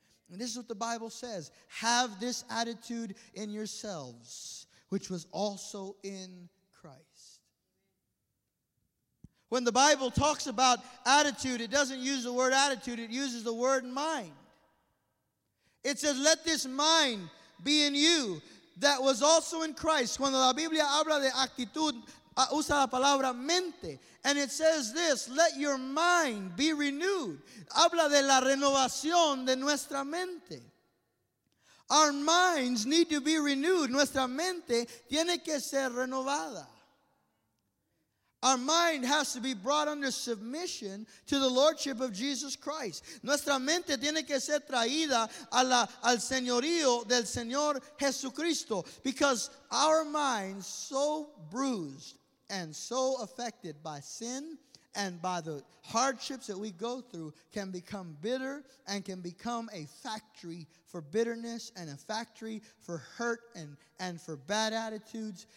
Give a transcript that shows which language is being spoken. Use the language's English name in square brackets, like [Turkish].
[English] And this is what the Bible says. Have this attitude in yourselves, which was also in Christ. When the Bible talks about attitude, it doesn't use the word attitude, it uses the word mind. It says, let this mind be in you that was also in Christ. [Spanish] Cuando la Biblia habla de actitud, usa la palabra mente. [English] And it says this, let your mind be renewed. [Spanish] Habla de la renovación de nuestra mente. [English] Our minds need to be renewed. [Spanish] Nuestra mente tiene que ser renovada. [English] Our mind has to be brought under submission to the Lordship of Jesus Christ. [Spanish] Nuestra mente tiene que ser traída al señorío del Señor Jesucristo. [English] Because our minds, so bruised and so affected by sin and by the hardships that we go through, can become bitter and can become a factory for bitterness and a factory for hurt and for bad attitudes.